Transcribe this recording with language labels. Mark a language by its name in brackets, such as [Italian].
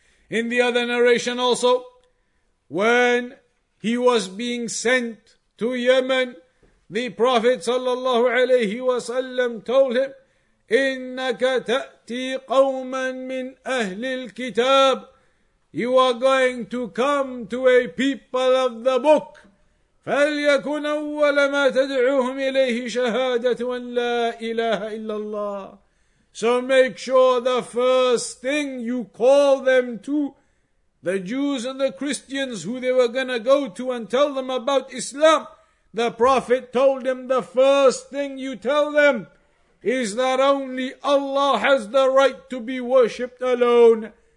[English] In the other narration also, when he was being sent to Yemen, the Prophet sallallahu alayhi wa sallam told him, [Arabic] إِنَّكَ تَأْتِي قَوْمًا مِّنْ أَهْلِ الْكِتَابِ, [English] you are going to come to a people of the book. [Arabic] فليكن أول ما تدعوهم إليه شهادة أن لا إله إلا الله. [English] So make sure the first thing you call them to, the Jews and the Christians who they were going to go to and tell them about Islam, the Prophet told them the first thing you tell them is that only Allah has the right to be worshipped alone.